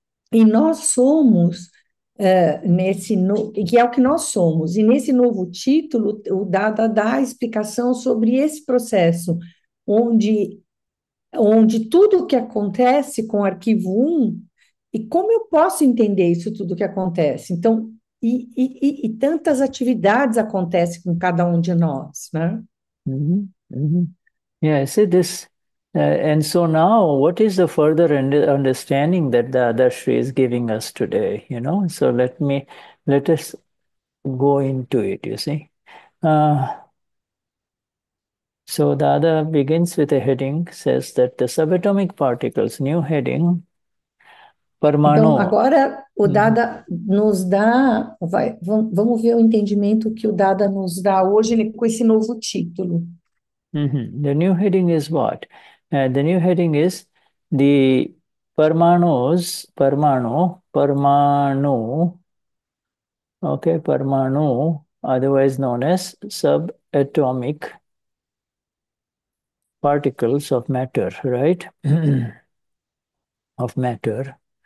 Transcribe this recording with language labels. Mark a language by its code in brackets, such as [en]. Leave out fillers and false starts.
[pt] E nós somos, nesse no, que é o que nós somos, e nesse novo título, o Dada dá a explicação sobre esse processo, onde tudo o que acontece com o arquivo 1. E como eu posso entender isso tudo que acontece? Então, e tantas atividades acontecem com cada um de nós, né? [en] Yeah, see this. And so now, what is the further understanding that the Dadashri is giving us today? You know, so let us go into it, you see. So Dada begins with a heading, says that the subatomic particles, new heading, [pt] Então, agora o Dada nos dá, vamos ver o entendimento que o Dada nos dá hoje com esse novo título. [en] The new heading is what? The new heading is the parmanos, parmanoo, okay, parmanoo, otherwise known as subatomic particles of matter, right? Of matter.